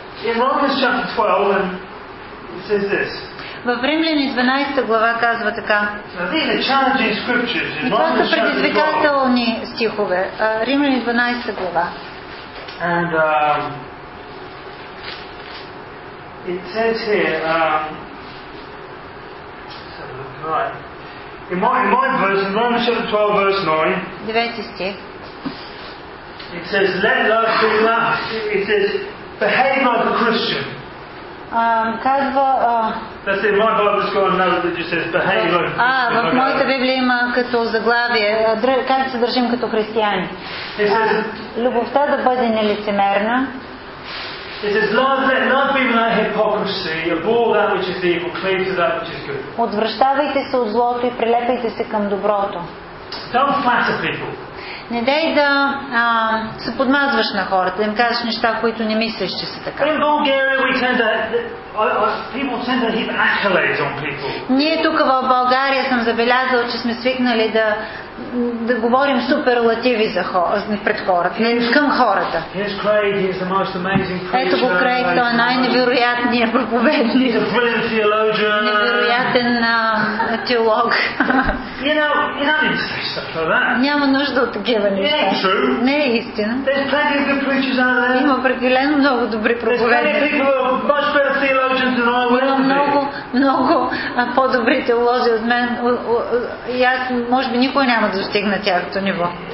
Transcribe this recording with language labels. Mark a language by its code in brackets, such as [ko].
[en] In Romans chapter 12, it says this. [bg] В Римляни 12 глава казва така. И това са предизвикателни стихове. Римляни 12 глава. [en] And it says here in my verse, in Romans chapter 12 verse 9. [bg] Девети стих. [en] It says, let love be love. It says, behave like a Christian. [bg] Казва. [en] That's it. My Bible's got a note that just says, "Behave like a Christian." [bg] В моята Библия има като заглавие, как се държим като християни. [en] It says, [bg] любовта да бъде нелицемерна. [en] It says, love be without hypocrisy. Abhor that which is evil, cling to that which is good. [bg] Отвръщавайте се от злото и прилепайте се към доброто. [en] Don't flatter people. [bg] Не дай да се подмазваш на хората, да им кажеш неща, които не мислиш, че са така. [en] In Bulgaria we tend to people tend to heap accolades on people. [bg] Ние тук в България съм забелязал, че сме свикнали да говорим суперлативи за пред хората, не към хората. [en] He's Craig, he's the most amazing preacher. [bg] Ето го Крейг, той е най-невероятният проповедник. [en] He's a brilliant theologian. [bg] Невероятен теолог. [en] You know, you don't need to say stuff like that. [bg] Няма нужда от такива неща. Не е истина. [en] There's plenty of good preachers out there. [bg] Има определено много добри проповедници. [en] There's plenty of people who are much better theologians than I am. [bg] Има много, много по-добри теолози от мен. И аз, може би, никой няма да достигна тяхното ниво.